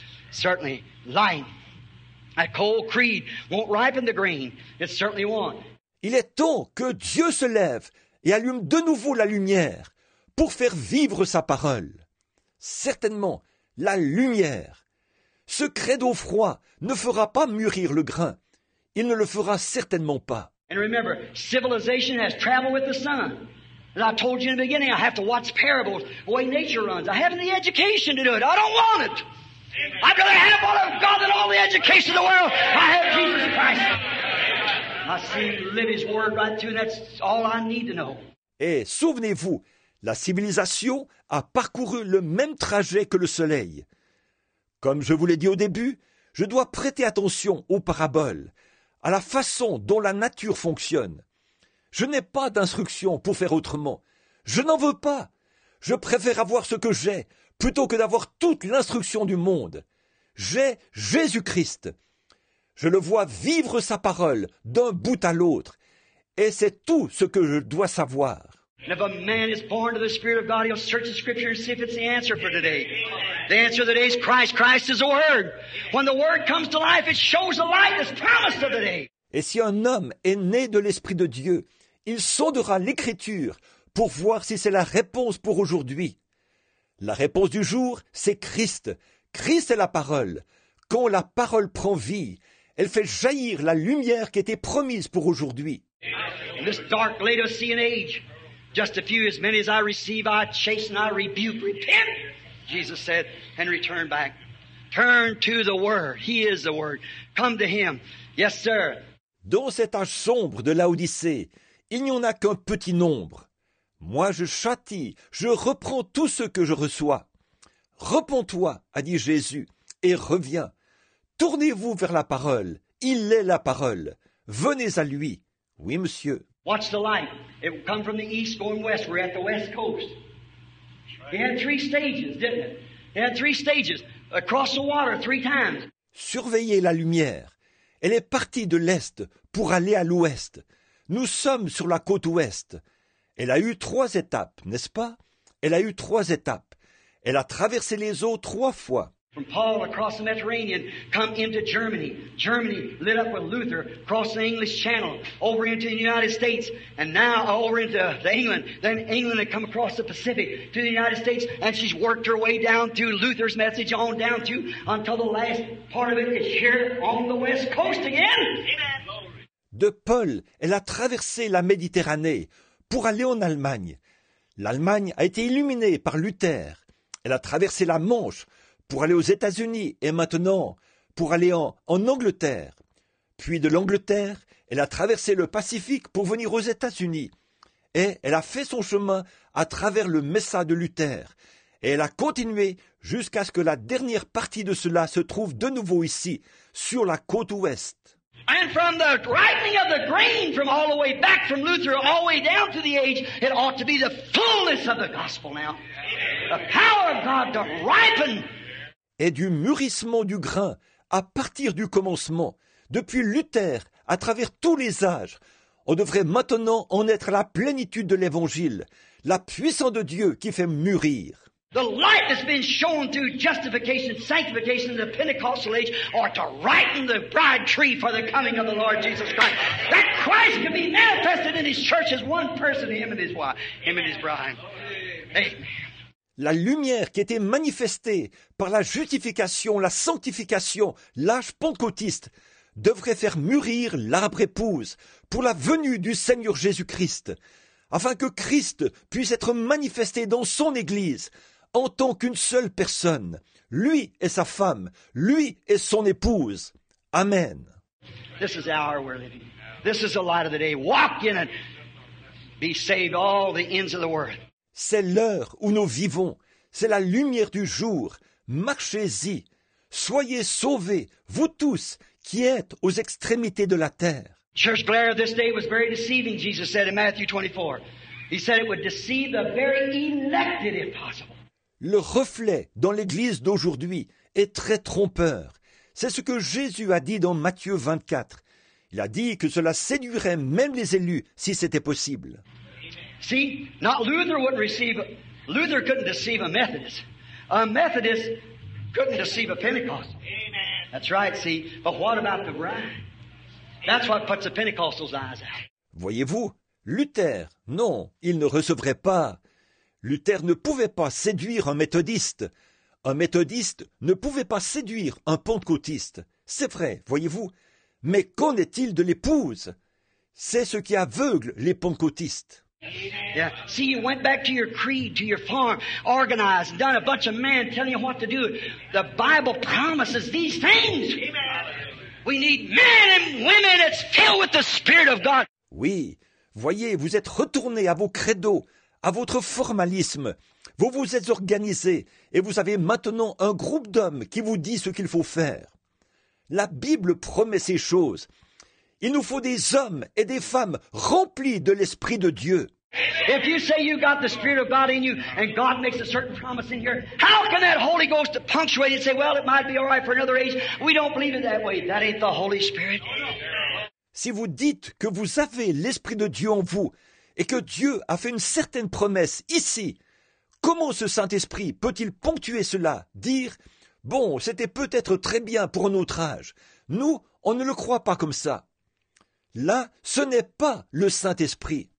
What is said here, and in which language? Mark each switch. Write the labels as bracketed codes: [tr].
[en] Certainly, light, that cold creed won't ripen the grain. It certainly won't. [fr] Il est temps que Dieu se lève et allume de nouveau la lumière pour faire vivre sa parole. Certainement, la lumière. Ce credo froid ne fera pas mûrir le grain. Il ne le fera certainement pas. [en] And remember, civilization has traveled with the sun. And I told you in the beginning, I have to watch parables, the way nature runs. I haven't the education to do it. I don't want it. I'd rather have all of God than all the education in the world. I have Jesus Christ. I see Him live His word right through, and that's all I need to know. [fr] Et souvenez-vous, la civilisation a parcouru le même trajet que le soleil. Comme je vous l'ai dit au début, je dois prêter attention aux paraboles, à la façon dont la nature fonctionne. Je n'ai pas d'instruction pour faire autrement. Je n'en veux pas. Je préfère avoir ce que j'ai plutôt que d'avoir toute l'instruction du monde. J'ai Jésus-Christ. Je le vois vivre sa parole d'un bout à l'autre. Et c'est tout ce que je dois savoir. [en] And if a man is born to the Spirit of God, he'll search the Scripture and see if it's the answer for today. The answer of the day is Christ. Christ is the Word. When the Word comes to life, it shows the light that's promised of the day. [fr] Et si un homme est né de l'Esprit de Dieu, il sondera l'Écriture pour voir si c'est la réponse pour aujourd'hui. La réponse du jour, c'est Christ, Christ est la parole. Quand la parole prend vie, elle fait jaillir la lumière qui était promise pour aujourd'hui. [en] In this dark Laodicean age, just a few, as many as I receive, I chasten, I rebuke. Repent, Jesus said, and return back. Turn to the Word. He is the Word. Come to Him. Yes, sir. [fr] Dans cet âge sombre de Laodicée, il n'y en a qu'un petit nombre. Moi, je châtie, je reprends tout ce que je reçois. Repens-toi, a dit Jésus, et reviens. Tournez-vous vers la parole. Il est la parole. Venez à lui. Oui, monsieur. [en] Watch the light. It will come from the east going west. We're at the west coast. He had three stages, didn't it? He had three stages. Across the water three times. [fr] Surveillez la lumière. Elle est partie de l'est pour aller à l'ouest. Nous sommes sur la côte ouest. Elle a eu trois étapes, n'est-ce pas? Elle a eu trois étapes. Elle a traversé les eaux trois fois. [en] From Paul across the Mediterranean, come into Germany. Germany lit up with Luther, across the English Channel, over into the United States, and now over into England. Then England had come across the Pacific to the United States, and she's worked her way down through Luther's message on down to until the last part of it is here on the West Coast again. Amen. [fr] De Paul, elle a traversé la Méditerranée pour aller en Allemagne. L'Allemagne a été illuminée par Luther. Elle a traversé la Manche pour aller aux États-Unis et maintenant pour aller en Angleterre. Puis de l'Angleterre, elle a traversé le Pacifique pour venir aux États-Unis. Et elle a fait son chemin à travers le Messa de Luther. Et elle a continué jusqu'à ce que la dernière partie de cela se trouve de nouveau ici, sur la côte ouest. [en] And from the ripening of the grain from all the way back from Luther all the way down to the age, it ought to be the fullness of the gospel now. The power of God to ripen. [fr] Et du mûrissement du grain à partir du commencement, depuis Luther, à travers tous les âges, on devrait maintenant en être à la plénitude de l'Évangile, la puissance de Dieu qui fait mûrir. [en] The light that's been shown through justification, sanctification in the Pentecostal age are to ripen the bride tree for the coming of the Lord Jesus Christ. That Christ can be manifested in His church as one person, Him and His wife, Him and His bride. Amen. [fr] La lumière qui était manifestée par la justification, la sanctification, l'âge pentecôtiste, devrait faire mûrir l'arbre épouse pour la venue du Seigneur Jésus-Christ, afin que Christ puisse être manifesté dans son Église en tant qu'une seule personne. Lui est sa femme, lui est son épouse. Amen. [en] This is the hour we're living. This is the light of the day. Walk in it. Be saved all the ends of the world. [fr] C'est l'heure où nous vivons. C'est la lumière du jour. Marchez-y. Soyez sauvés, vous tous, qui êtes aux extrémités de la terre. [en] Church glare of this day was very deceiving, Jesus said in Matthew 24. He said it would deceive the very elected if possible. [fr] Le reflet dans l'Église d'aujourd'hui est très trompeur. C'est ce que Jésus a dit dans Matthieu 24. Il a dit que cela séduirait même les élus si c'était possible. [en] See, not Luther wouldn't receive. Luther couldn't deceive a Methodist. A Methodist couldn't deceive a Pentecostal. Amen. That's right, see. But what about the bride? That's what puts the Pentecostals' eyes out. [fr] Voyez-vous, Luther, non, il ne recevrait pas. Luther ne pouvait pas séduire un méthodiste. Un méthodiste ne pouvait pas séduire un pentecôtiste. C'est vrai, voyez-vous. Mais qu'en est-il de l'épouse? C'est ce qui aveugle les pentecôtistes. [en] Yeah. See, you went back to your creed, to your farm, organized, done a bunch of men telling you what to do. The Bible promises these things. Amen. We need men and women that's filled with the Spirit of God. [fr] Oui, voyez, vous êtes retourné à vos credos, à votre formalisme. Vous vous êtes organisé et vous avez maintenant un groupe d'hommes qui vous dit ce qu'il faut faire. La Bible promet ces choses. Il nous faut des hommes et des femmes remplis de l'Esprit de Dieu. [en] If you say you got the Spirit of God in you and God makes a certain promise in here, how can that Holy Ghost punctuate and say, well, it might be all right for another age? We don't believe it that way. That ain't the Holy Spirit. [fr] Si vous dites que vous avez l'Esprit de Dieu en vous et que Dieu a fait une certaine promesse ici, comment ce Saint-Esprit peut-il ponctuer cela, dire, bon, c'était peut-être très bien pour un autre âge. Nous, on ne le croit pas comme ça. Là, ce n'est pas le Saint-Esprit.